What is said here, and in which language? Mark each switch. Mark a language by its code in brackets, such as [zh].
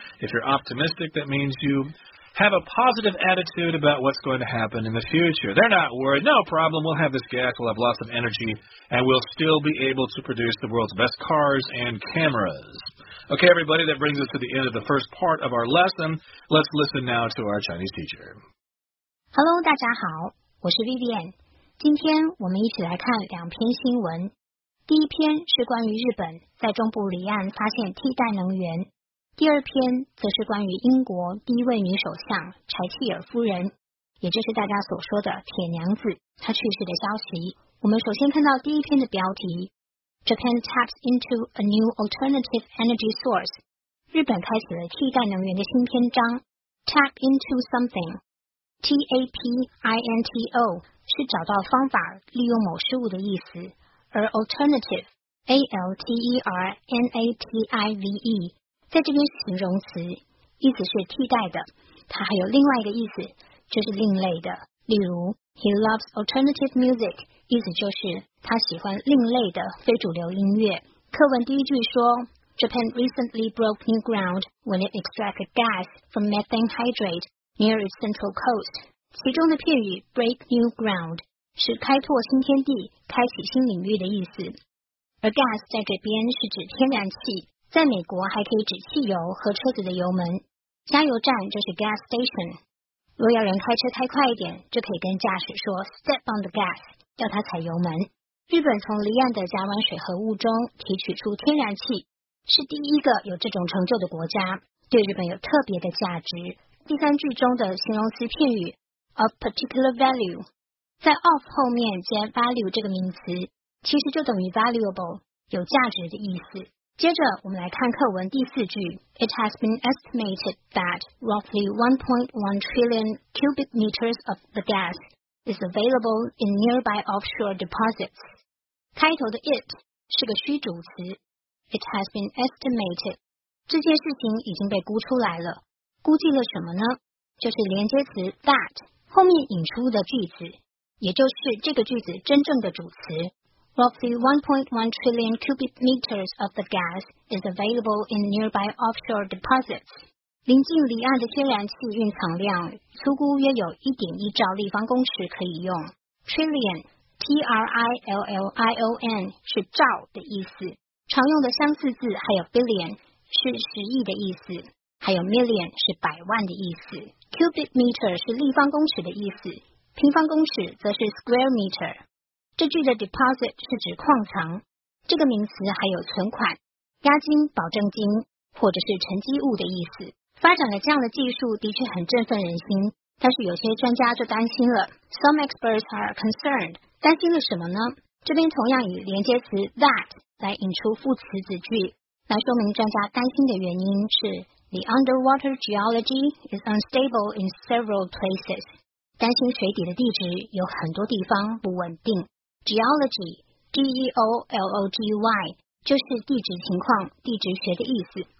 [en] If you're optimistic, that means you have a positive attitude about what's going to happen in the future. They're not worried. No problem. We'll have this gas. We'll have lots of energy, and we'll still be able to produce the world's best cars and cameras. Okay, everybody, that brings us to the end of the first part of our lesson. Let's listen now to our Chinese teacher. Hello, [zh] 大家好，我是 Vivian。今天我们一起来看两篇新闻。第一篇是关于日本在中部离岸发现替代能源。第二篇则是关于英国第一位女首相柴契尔夫人，也就是大家所说的铁娘子，她去世的消息。我们首先看到第一篇的标题。 [en] Japan taps into a new alternative energy source. [zh] 日本开始了替代能源的新篇章。 [en] Tap into something. [zh] T-A-P-I-N-T-O 是找到方法利用某事物的意思。而 alternative, A-L-T-E-R-N-A-T-I-V-E, 在这边是形容词，意思是替代的。它还有另外一个意思，就是另类的。例如 [en] ,He loves alternative music. [zh] 意思就是他喜欢另类的非主流音乐。课文第一句说 [en] Japan recently broke new ground when it extracted gas from methane hydrate near its central coast. [zh] 其中的片语 [en] break new ground [zh] 是开拓新天地、开启新领域的意思。而 gas 在这边是指天然气，在美国还可以指汽油和车子的油门。加油站就是 gas station。若要人开车开快一点，就可以跟驾驶说 [en] step on the gas。 [zh] 叫他踩油门。日本从离岸的甲烷水合物中提取出天然气，是第一个有这种成就的国家，对日本有特别的价值。第三句中的形容词片语 [en] of particular value， [zh] 在 of 后面接 value 这个名词，其实就等于 valuable， 有价值的意思。接着我们来看课文第四句 [en] ，It has been estimated that roughly 1.1 trillion cubic meters of the gas。 is available in nearby offshore deposits. [zh] 开头的 [en] it [zh] 是个虚主词 [en] ,it has been estimated. [zh] 这件事情已经被估出来了。估计了什么呢？就是连接词 that, 后面引出的句子，也就是这个句子真正的主词。 [en] Roughly 1.1 trillion cubic meters of the gas is available in nearby offshore deposits. [zh] 临近离岸的天然气蕴藏量粗估约有 1.1 兆立方公尺可以用。 Trillion, T-R-I-L-L-I-O-N 是兆的意思。常用的相似字还有 billion 是十亿的意思，还有 million 是百万的意思。 Cubic meter 是立方公尺的意思，平方公尺则是 square meter。这句的 deposit 是指矿藏，这个名词还有存款、押金、保证金或者是沉积物的意思。发展了这样的技术的确很振奋人心，但是有些专家就担心了。 [en] Some experts are concerned， [zh] 担心了什么呢？这边同样以连接词 that 来引出副词子句，来说明专家担心的原因是 [en] The underwater geology is unstable in several places， [zh] 担心水底的地质有很多地方不稳定。 Geology, G-E-O-L-O-G-Y, 就是地质情况、地质学的意思。